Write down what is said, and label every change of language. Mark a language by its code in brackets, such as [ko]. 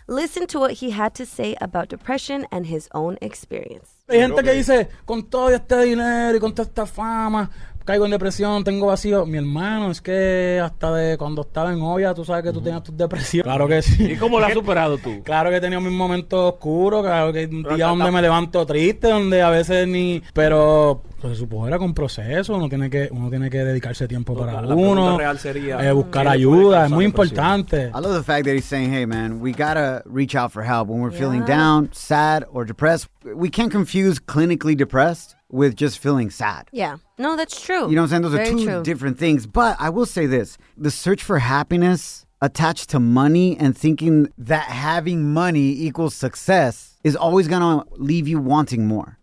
[en] Listen to what he had to say about depression and his own experience. [es] Hay gente que dice, con todo este dinero y con toda esta fama, caigo en depresión, tengo vacío. Mi hermano, es que hasta de cuando estaba en olla, tú sabes que tú tenías tus depresiones. Claro que sí. ¿Y cómo la has superado tú? Claro que he tenido mis momentos oscuros, claro que un día donde me levanto triste, donde a veces ni... Pero pues, se supone que era con proceso, uno tiene que dedicarse tiempo para la uno. La real sería... buscar ayuda, es muy importante. [en] I love the fact that he's saying, hey man, we gotta reach out for help when we're feeling down, sad, or depressed. We can't confuse clinically depressed with just feeling sad. Yeah. No, that's true. You know what I'm saying? Those are two different things. But I will say this. The search for happiness attached to money and thinking that having money equals success is always going to leave you wanting more.